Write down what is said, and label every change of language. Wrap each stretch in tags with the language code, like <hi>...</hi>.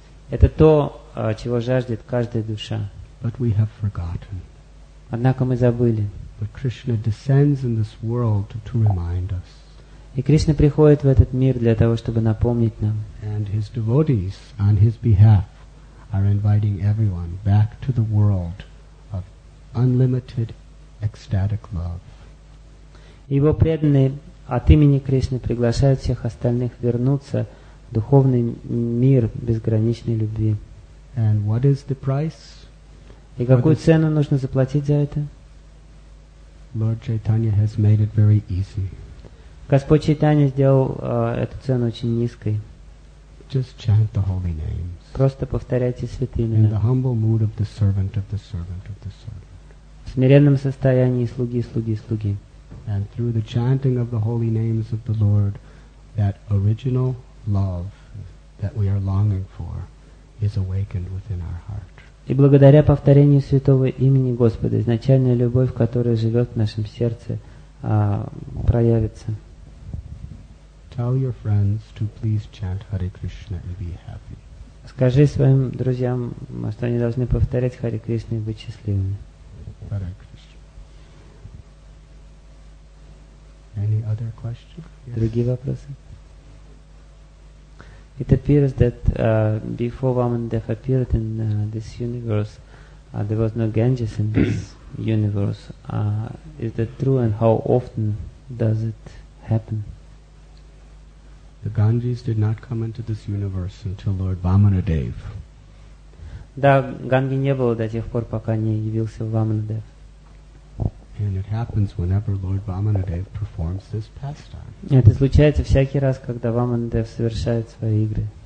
<ru>Это то, чего жаждет каждая душа.</ru> <en>But we have forgotten.</en> <ru>Однако мы забыли.</ru> <en>But Krishna descends in this world to remind us.</en> <ru>И Кришна приходит в этот мир для того, чтобы напомнить нам.</ru> <en>And his devotees, on his behalf, are inviting everyone back to the world of unlimited ecstatic love.</en> <ru>Его преданные от имени Кришны приглашают всех остальных вернуться в духовный мир безграничной любви.</ru> <en>And what is the price?</en> <ru>И какую цену нужно заплатить за это?</ru> <en>Lord Chaitanya has made it very easy.</en> <ru>Господь Чайтанья сделал эту цену очень низкой.</ru> <en>Just chant the holy names.</en> <ru>Просто повторяйте святые имена.</ru> <en>In the humble mood of the servant of the servant of the servant.</en> <ru>В смиренном состоянии слуги, слуги, слуги.</ru> <en>And through the chanting of the holy names of the Lord, that original love that we are longing for is awakened within our heart.</en> <ru>И благодаря повторению святого имени Господа, изначальная любовь, которая живет в нашем сердце, проявится.</ru> <en>Tell your friends to please chant Hare Krishna and be happy.</en> <ru>Скажи своим друзьям, что они должны повторять Hare Krishna и быть счастливыми.</ru> <en>Hare Krishna. Any other question? Yes.</en> <ru>Другие вопросы?</ru> <en>It appears that before Vamandev appeared in this universe, there was no Ganges in this universe. Is that true, and how often does it happen? The Ganges did not come into this universe until Lord Vamanadev.</en> <ru>Да, Ганги не было до тех пор, пока не явился Vamanadev.</ru> <en>And it happens whenever Lord Vamanadev performs this pastime.</en> <ru>Это случается всякий раз, когда Vamanadev совершает свои игры.</ru>